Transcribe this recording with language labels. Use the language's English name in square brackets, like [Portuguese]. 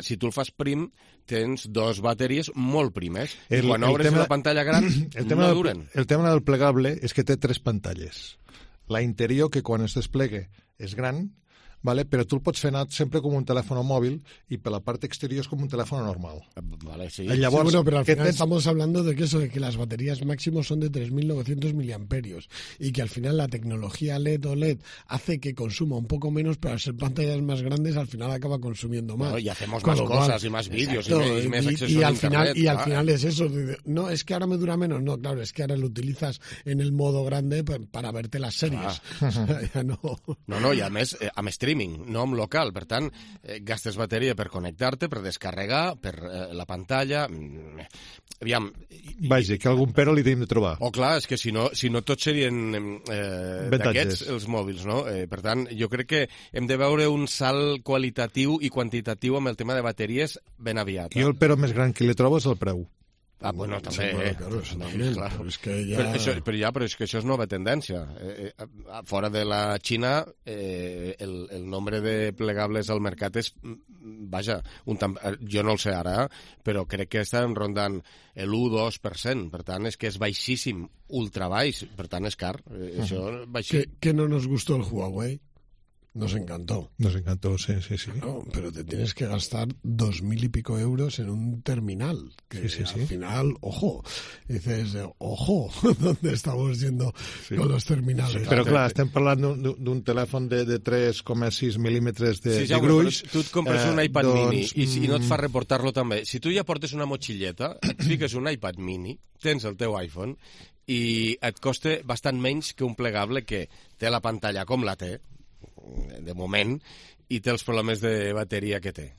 [Catalan] Si tu el fas prim, tens dues bateries molt primes. I quan obres la pantalla gran, no duren. El tema del plegable és que té tres pantalles. La interior, que quan es desplegue, és gran, vale, però tu el pots fer anar sempre com un telèfon mòbil i per la part exterior és com un telèfon normal. Vale, sí. Llavors, sí, [Spanish] bueno, però al final estamos hablando de que eso, de que las baterías máximos son de 3.900 mAh y que al final la tecnología LED OLED hace que consuma un poco menos, pero al ser pantallas más grandes al final acaba consumiendo más. Bueno, y hacemos con más cosas, y más vídeos, y más acceso y a al final, internet. Y al final es eso. No, es que ahora me dura menos. No, claro, es que ahora lo utilizas en el modo grande para verte las series. [Catalan] Y además, a mes stream, no amb local, per tant, gastes bateria per connectar-te, per descarregar, per la pantalla... Aviam... Vaja, que algun pèrol li tenim de trobar. Oh, clar, és que si no tots serien d'aquests els mòbils, no? Per tant, jo crec que hem de veure un salt qualitatiu i quantitatiu amb el tema de bateries ben aviat. Jo el pèrol més gran que li trobo és el preu. Ah, bueno, també, Però, això, però ja, però és que això és nova tendència. Fora de la Xina, el nombre de plegables al mercat és... Vaja, jo no el sé ara, però crec que estan rondant l'1-2%. Per tant, és que és baixíssim, ultra baix. Per tant, és car. Això, [Spanish] que no nos gustó el Huawei? Nos encantó. Nos encantó, sí. No, pero te tienes que gastar 2.000 y pico euros en un terminal. Que al final, ojo, dices, ojo, ¿dónde estamos yendo con los terminales? Sí, [Catalan] pero claro, estem parlant d'un telèfon de 3,6 mil·límetres de gruix. Tu et compres un iPad mini i no et fa reportar-lo també. Si tu ja portes una motxilleta, et fiques un iPad mini, tens el teu iPhone i et costa bastant menys que un plegable que té la pantalla com la té, de moment, i té els problemes de bateria que té.